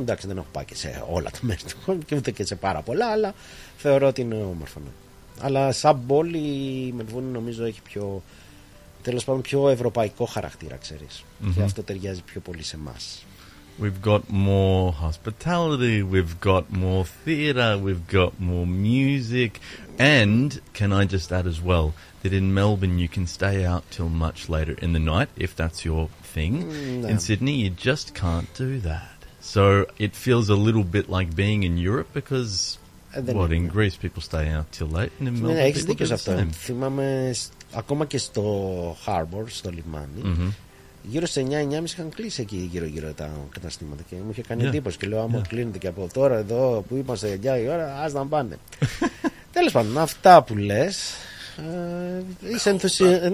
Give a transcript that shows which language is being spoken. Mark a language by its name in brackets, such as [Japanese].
[Greek] Εντάξει, δεν έχω πάει και σε όλα τα μέρη του κόσμου και ούτε και σε πάρα πολλά, αλλά θεωρώ ότι είναι όμορφο. Ναι. Αλλά σαν πόλη η Μελβούρνη νομίζω έχει πιο, τέλος πάντων, πιο ευρωπαϊκό χαρακτήρα, ξέρεις. Και αυτό ταιριάζει πιο πολύ σε εμάς. [English] We've got more hospitality, we've got more theatre, we've got more music, and can I just add as well that in Melbourne you can stay out till much later in the night if that's your thing. No. In Sydney you just can't do that. So it feels a little bit like being in Europe because, what, in Greece people stay out till late and in Melbourne people do the same. [Greek] Θυμάμαι ακόμα και στο harbour, στο λιμάνι, γύρω σε 9-9.30 είχαν κλείσει εκεί γύρω-γύρω τα καταστήματα και μου είχε κάνει εντύπωση. Και λέω: άμα κλείνεται και από τώρα εδώ που είμαστε 9 η ώρα, ας να πάνε. Τέλος πάντων, αυτά που λες. Είσαι ενθουσιασμένο.